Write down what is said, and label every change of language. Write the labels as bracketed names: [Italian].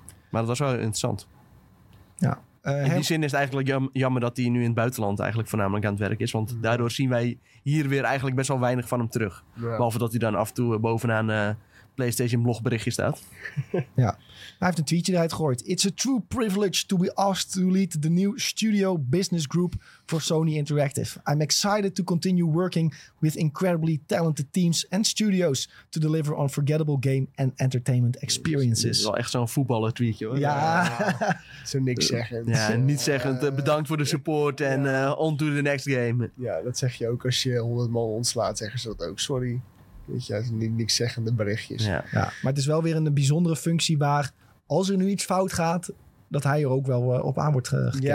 [Dutch] Maar dat was wel interessant. Ja. In die zin is het eigenlijk jammer dat hij nu in het buitenland eigenlijk voornamelijk aan het werk is. Want daardoor zien wij hier weer eigenlijk best wel weinig van hem terug. Ja. Behalve dat hij dan af en toe bovenaan PlayStation blogberichtje staat. Ja. Hij heeft een tweetje eruit gegooid. [English] It's a true privilege to be asked to lead the new studio business group for Sony Interactive. I'm excited to continue working with incredibly talented teams and studios to deliver unforgettable game and entertainment experiences. [Dutch] Dat is wel echt zo'n voetballer tweetje, hoor. Ja. Zo niks zeggend. Ja, niet zeggend. Bedankt voor de support en [English] on to the next game. [Dutch] Ja, dat zeg je ook als je 100 man ontslaat, zeggen ze dat ook. Sorry. Weet je, niet niks zeggende berichtjes. Ja. Ja, maar het is wel weer een bijzondere functie waar, als er nu iets fout gaat, dat hij er ook wel op aan wordt gekeken.